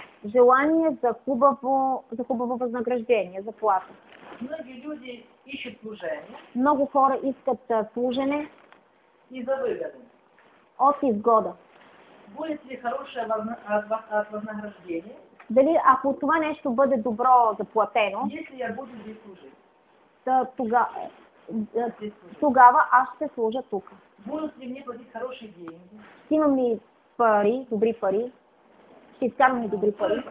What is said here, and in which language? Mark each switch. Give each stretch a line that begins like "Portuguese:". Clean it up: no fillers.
Bulgarian: Желание за хубаво вознаграждение, за плату.
Russian: Многие люди ищут служение.
Bulgarian: Много хора искат служение.
Russian: И за выгоду.
Bulgarian: От изгода.
Russian: Будет ли хорошее вознаграждение?
Bulgarian: Дали, ако това нещо бъде добро заплатено,
Russian: если я буду здесь служить,
Bulgarian: тогава аз ще служа тук.
Russian: Будут ли мне платить хорошие деньги?
Bulgarian: Ще имам ли пари, добри пари? Ще изкарвам ли добри пари?